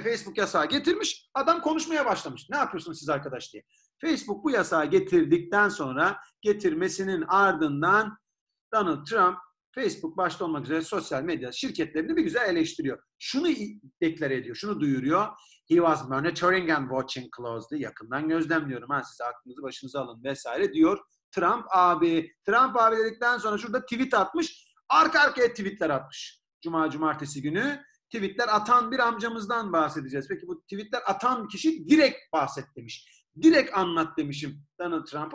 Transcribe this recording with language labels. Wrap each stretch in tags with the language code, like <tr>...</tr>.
<tr>Facebook yasağı getirmiş, adam konuşmaya başlamış. Ne yapıyorsunuz siz arkadaş diye. Facebook bu yasağı getirdikten sonra, getirmesinin ardından Donald Trump, Facebook başta olmak üzere sosyal medya şirketlerini bir güzel eleştiriyor. Şunu deklar ediyor, şunu duyuruyor.</tr> <en>He was monitoring and watching closely.</en> <tr>Yakından gözlemliyorum ha, siz aklınızı başınıza alın vesaire diyor Trump abi. Trump abi dedikten sonra şurada tweet atmış. Arka arkaya tweetler atmış. Cuma cumartesi günü tweetler atan bir amcamızdan bahsedeceğiz. Peki bu tweetler atan kişi direkt bahset demiş. Direkt anlat demişim Donald Trump.</tr>